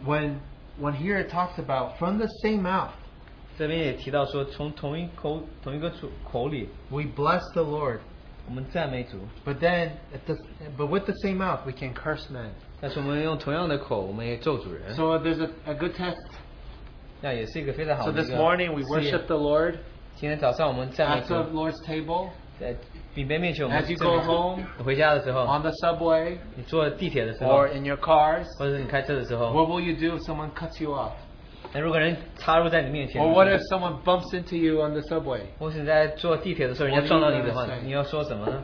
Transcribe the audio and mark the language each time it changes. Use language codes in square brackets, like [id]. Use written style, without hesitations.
[en] when here it talks about from the same mouth, [zh] 这边也提到说从同一口里, [en] we bless the Lord, [zh] 我们赞美主, [en] but then but with the same mouth we can curse men. [zh] 但是我们用同样的口, [en] so there's a good test. [zh] 那也是一个非常好的一个, [en] so this morning we worship the Lord. [zh] 今天早上我们赞美主, [en] at the Lord's table, [zh] 在比面前我们, [en] as you go home, [zh] 回家的时候, [en] on the subway, [zh] 你坐地铁的时候, [en] or in your cars, [zh] 或者你开车的时候, [en] what will you do if someone cuts you off? [zh] 如果人插入在你面前, [en] or what if someone bumps into you on the subway? [zh] 或是你在坐地铁的时候, 人家撞到你的话, 你要说什么呢?